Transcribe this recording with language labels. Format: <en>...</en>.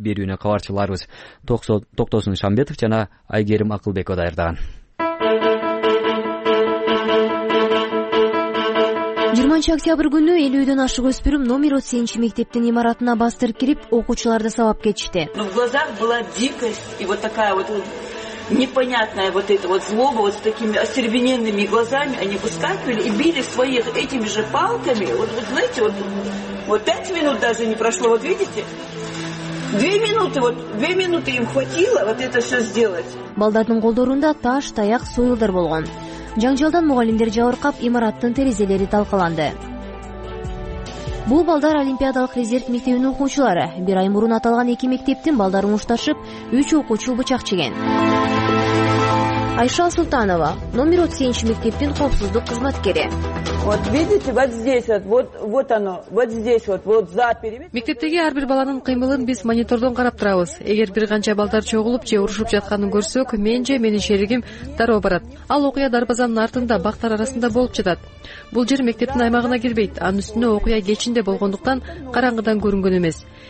<ky>Берүүнү кабарчыларыбыз Токтосун Шамбетов жана Айгерим Акылбеко даярдаган. 20 октябрь күнү 50-дөн ашык өспүрүм номер 30-чи мектептин имаратына бастырып кирип, окуучуларды сабап кетишти.</ky> <ru>В глазах была дикость и вот такая вот непонятная вот эта вот злоба, вот с такими остервененными глазами они выскакивали и били своих этими же палками. Вот знаете, вот 5 минут даже не прошло, вот видите? 2 минуты им хватило вот это все сделать.</ru> <ky>Балдардын колдорунда таш, таяк, союлдар болгон. Жаңжалдан мугалимдер жабыркап, имараттын терезелери талкаланды. Бул балдар олимпиадалык резерв мектебинин окуучулары. Бир ай мурун аталган эки мектептин балдары мушташып, 3 окуучу бычак чеген. Айша Султанова, номер 30-чи мектептин коопсуздук кызматкери.</ky> <ru>Вот видите, вот здесь вот оно, вот здесь вот за периметр.</ru> <ky>Мектептеги ар бир баланын кыймылын биз монитордон карап турабыз. Эгер бир канча балдар чогулуп же урушуп жатканын көрсөк, мен же менин шеригим дароо барат. Ал окуя дарбазанын артында бактар арасында болуп жатат. Бул жер мектептин аймагына кирбейт. Анын үстүнө окуя кечинде болгондуктан караңгыдан көрүнгөн эмес.</ky>